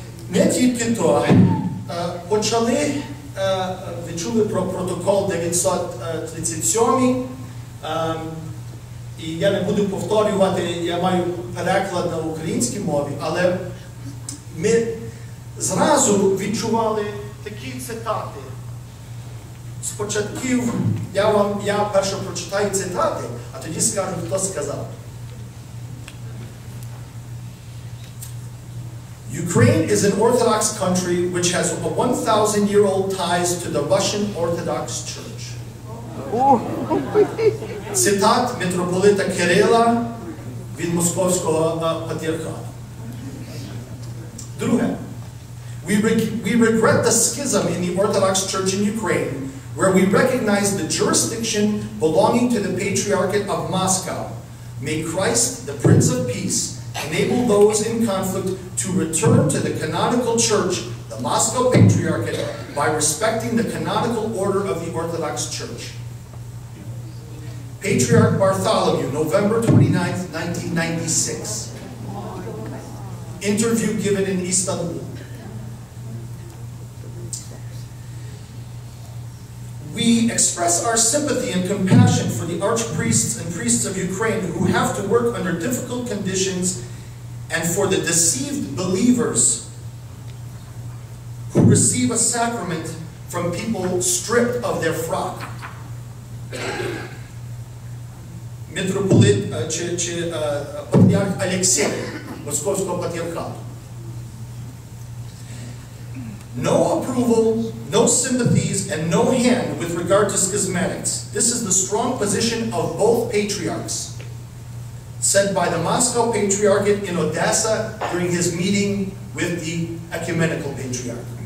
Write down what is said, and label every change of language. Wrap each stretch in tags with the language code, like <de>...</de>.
<uk>Не тільки то, почали, ви чули про протокол 937, і я не буду повторювати, я маю переклад на українській мові, але ми зразу відчували такі цитати. З початків я перше прочитаю цитати, а тоді скажу, хто сказав.</uk> <en>Ukraine is an Orthodox country which has a 1,000-year-old ties to the Russian Orthodox Church.</en> <uk>Цитат митрополита Кирила від Московського патріархату. Друге.</uk> <en>We regret the schism in the Orthodox Church in Ukraine, where we recognize the jurisdiction belonging to the Patriarchate of Moscow. May Christ, the Prince of Peace, enable those in conflict to return to the canonical church, the Moscow Patriarchate, by respecting the canonical order of the Orthodox Church. Patriarch Bartholomew, November 29, 1996. Interview given in Istanbul. We express our sympathy and compassion for the archpriests and priests of Ukraine who have to work under difficult conditions, and for the deceived believers who receive a sacrament from people stripped of their frock.</en> <uk>Митрополит чи патріарх Алексей Московського патріархату.</uk> <en>No approval, no sympathies, and no hand with regard to schismatics. This is the strong position of both patriarchs, said by the Moscow Patriarchate in Odessa during his meeting with the Ecumenical Patriarch.</en>